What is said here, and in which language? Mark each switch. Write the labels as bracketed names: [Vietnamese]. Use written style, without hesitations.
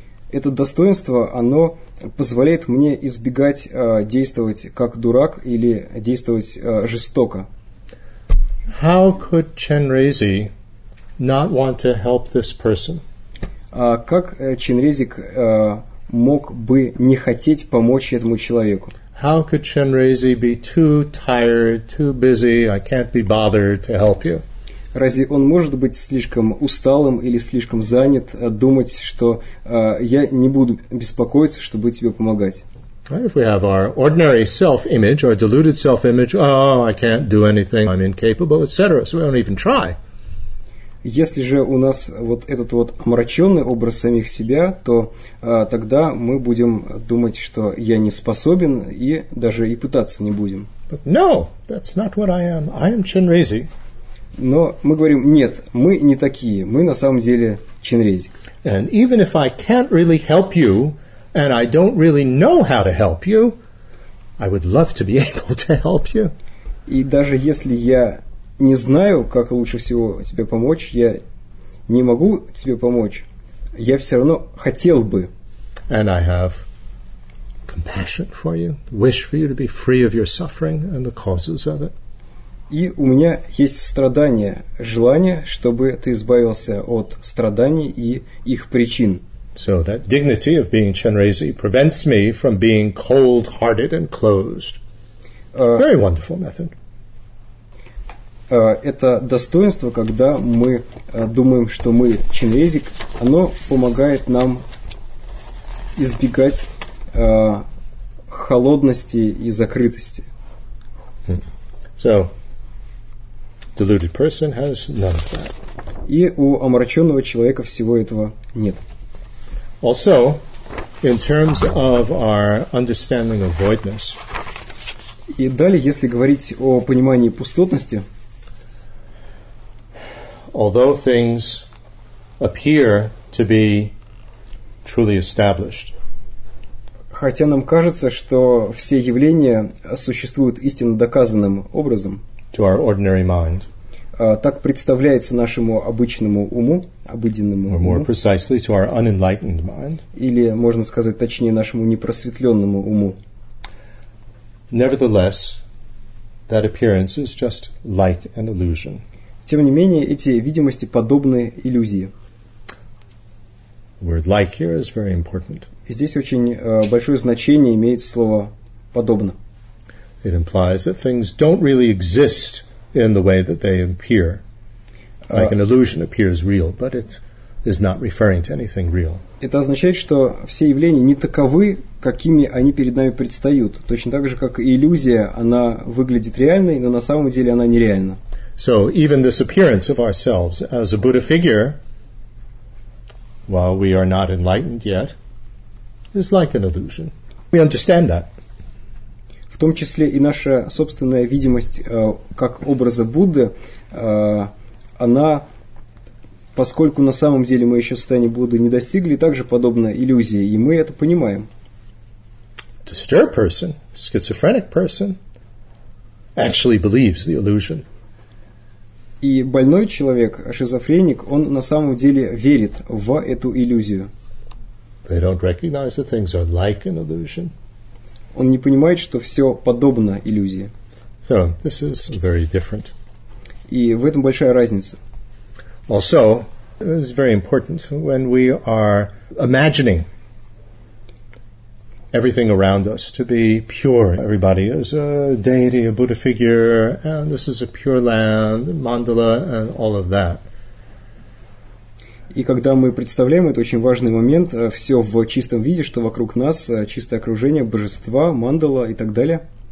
[Russian] Это достоинство, оно позволяет мне избегать действовать как дурак или действовать жестоко. [English] how could Chenrezig not want to help this person? [Russian] Как Chenrezig мог бы не хотеть помочь этому человеку? [English] How could Chenrezig be too tired, too busy, I can't be bothered to help you? [Russian] Разве он может быть слишком усталым или слишком занят думать, что я не буду беспокоиться, чтобы тебе помогать? [English] If we have our ordinary self-image or deluded self-image, oh, I can't do anything, I'm incapable, etc., so we don't even try. [Russian] Если же у нас вот этот вот омраченный образ самих себя, то тогда мы будем думать, что я не способен и даже и пытаться не будем. [English] But no, that's not what I am. I am Chenrezig. [Russian] Но мы говорим, нет, мы не такие, мы на самом деле Chenrezig. [English] And even if I can't really help you, and I don't really know how to help you, I would love to be able to help you. [Russian] И даже если я не знаю, как лучше всего тебе помочь, я не могу тебе помочь, я все равно хотел бы. [English] And I have compassion for you, wish for you to be free of your suffering and the causes of it. [Russian] И у меня есть страдания, желание, чтобы ты избавился от страданий и их причин. [English] So that dignity of being Chenrezig prevents me from being cold-hearted and closed. Very wonderful method. [Russian] Это достоинство, когда мы думаем, что мы Chenrezig, оно помогает нам избегать холодности и закрытости. [English] So, deluded person has none of that. [Russian] И у омраченного человека всего этого нет. [English] Also, in terms of our understanding of voidness. [Russian] И далее, если говорить о понимании пустотности. [English] Although things appear to be truly established. [Russian] Хотя нам кажется, что все явления существуют истинно доказанным образом. [English] To our ordinary mind. [Russian] Так представляется нашему обычному уму, обыденному уму. [English] Or more precisely, to our unenlightened mind. [Russian] Или, можно сказать, точнее, нашему непросветленному уму. [English] Nevertheless, that appearance is just like an illusion. [Russian] Тем не менее, эти видимости подобны иллюзии. [English] The word like here is very important. [Russian] Здесь очень большое значение имеет слово «подобно». [English] It implies that things don't really exist in the way that they appear. Like an illusion appears real, but it is not referring to anything real. [Russian] Это означает, что все явления не таковы, какими они перед нами предстают. Точно так же, как и иллюзия, она выглядит реальной, но на самом деле она нереальна. [English] So even this appearance of ourselves as a Buddha figure, while we are not enlightened yet, is like an illusion. We understand that. [Russian] В том числе и наша собственная видимость как образа Будды, она, поскольку на самом деле мы еще состояния Будды не достигли, также подобна иллюзии, и мы это понимаем. [English] Disturbed person, schizophrenic person, actually believes the illusion. [Russian] И больной человек, шизофреник, он на самом деле верит в эту иллюзию. [English] They don't recognize that things are like an illusion. [Russian] Он не понимает, что все подобно иллюзии. [English] So, this is very different. [Russian] И в этом большая разница. [English] Also, it's very important when we are imagining everything around us to be pure. Everybody is a deity, a Buddha figure, and this is a pure land, mandala, and all of that. [Russian] И когда мы представляем, это очень важный момент, все в чистом виде, что вокруг нас, чистое окружение, божества, мандала и так далее.